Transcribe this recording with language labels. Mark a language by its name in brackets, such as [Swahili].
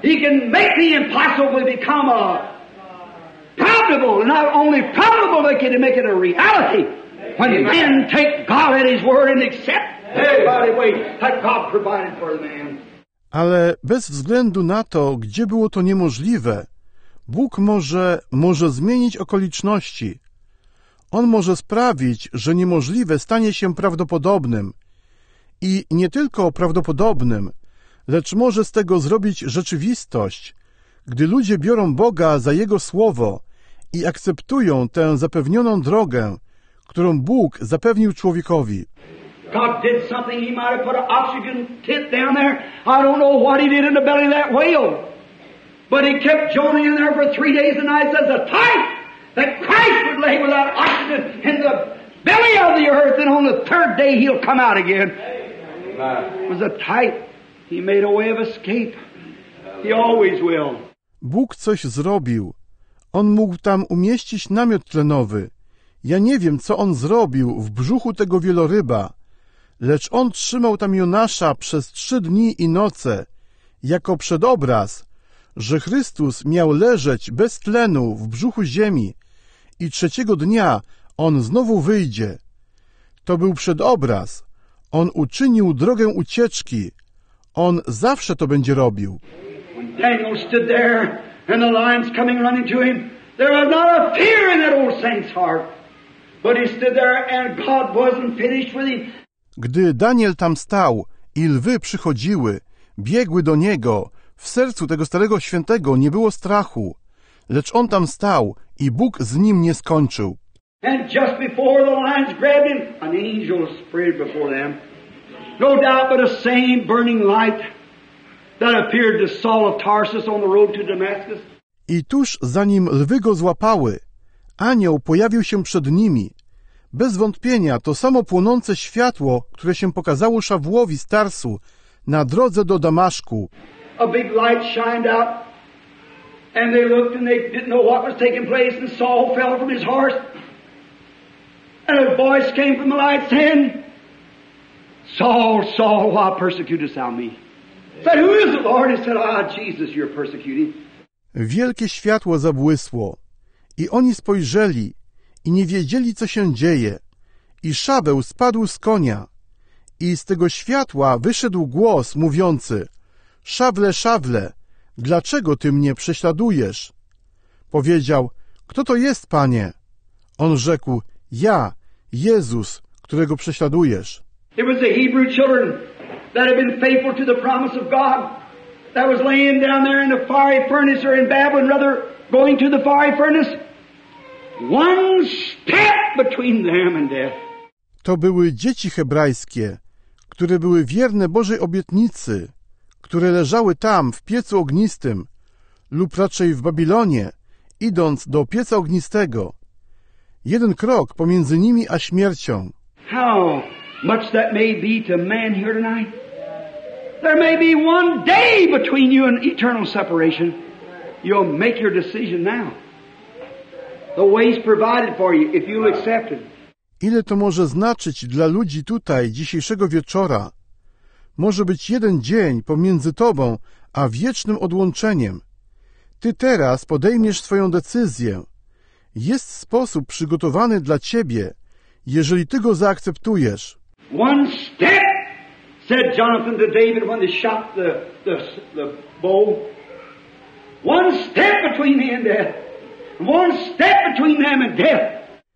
[English] He can make the impossible become a probable, not only probable, but can make it a reality. When Amen. Men take God at His word and accept everybody wait, that God provided for the man. [Polish] Ale bez względu na to, gdzie było to niemożliwe, Bóg może zmienić okoliczności. On może sprawić, że niemożliwe stanie się prawdopodobnym. I nie tylko prawdopodobnym, lecz może z tego zrobić rzeczywistość, gdy ludzie biorą Boga za Jego słowo i akceptują tę zapewnioną drogę, którą Bóg zapewnił człowiekowi. [English] God did something. He might have put an oxygen tent down there. I don't know what he did in the belly of that whale. But he kept Jonah in there for 3 days and nights as a type that Christ would lay without oxygen in the belly of the earth, and on the third day he'll come out again. It was a type. He made a way of escape. He always will. [Polish] Bóg coś zrobił. On mógł tam umieścić namiot tlenowy. Ja nie wiem, co on zrobił w brzuchu tego wieloryba, lecz on trzymał tam Jonasza przez 3 dni i noce, jako przedobraz, że Chrystus miał leżeć bez tlenu w brzuchu ziemi i 3. dnia on znowu wyjdzie. To był przedobraz. On uczynił drogę ucieczki. On zawsze to będzie robił. [English] Daniel stood there and the lions coming running to him. There was not a fear in that old saint's heart. But he stood there and God wasn't finished with him. [Polish] Gdy Daniel tam stał i lwy przychodziły, biegły do niego, w sercu tego starego świętego nie było strachu. Lecz on tam stał i Bóg z nim nie skończył. [English] And just before the lions grabbed him, an angel spread before them. No doubt but the same burning light that appeared to Saul of Tarsus on the road to Damascus. [Polish] I tuż zanim lwy go złapały, anioł pojawił się przed nimi. Bez wątpienia to samo płonące światło, które się pokazało Szawłowi z Tarsu na drodze do Damaszku. [English] A big light shined out and they looked and they didn't know what was taking place and Saul fell from his horse. And a voice came from the light saying, Saul, Saul, why persecutest thou me? Said, who is the Lord? He said, ah, Jesus, you're persecuting. [Polish] Wielkie światło zabłysło. I oni spojrzeli i nie wiedzieli, co się dzieje. I Szaweł spadł z konia. I z tego światła wyszedł głos mówiący, Szawle, Szawle, dlaczego ty mnie prześladujesz? Powiedział, kto to jest, panie? On rzekł, ja, Jezus, którego prześladujesz. [English] It was the Hebrew children that had been faithful to the promise of God that was laying down there in the fiery furnace or in Babylon, rather, going to the fiery furnace. One step between them and death. [Polish] To były dzieci hebrajskie, które były wierne Bożej obietnicy, które leżały tam w piecu ognistym, lub raczej w Babilonie, idąc do pieca ognistego. Jeden krok pomiędzy nimi a śmiercią. [English] How much that may be to man here tonight. There may be one day between you and eternal separation. You'll make your decision now. The way's provided for you if you'll accept it. [Polish] Ile to może znaczyć dla ludzi tutaj dzisiejszego wieczora? Może być jeden dzień pomiędzy tobą a wiecznym odłączeniem. Ty teraz podejmiesz swoją decyzję. Jest sposób przygotowany dla ciebie, jeżeli ty go zaakceptujesz. [English] One step, said Jonathan to David when they shot the bow. One step between me and death. One step between them and death.